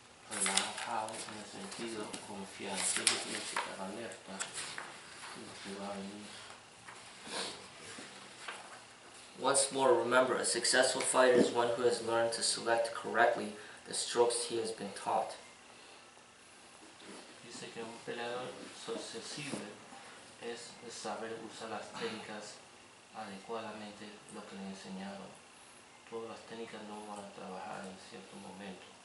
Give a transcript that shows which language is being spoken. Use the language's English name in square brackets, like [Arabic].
[Spanish] Relajado en el sentido confiar, siempre tienes que estar alerta, no te va a venir. [English] Once more, remember, a successful fighter is one who has learned to select correctly the strokes he has been taught. [Spanish] Dice que un peleador sucesivo es saber usar las técnicas adecuadamente, lo que le enseñaron. Todas las técnicas no van a trabajar en cierto momento.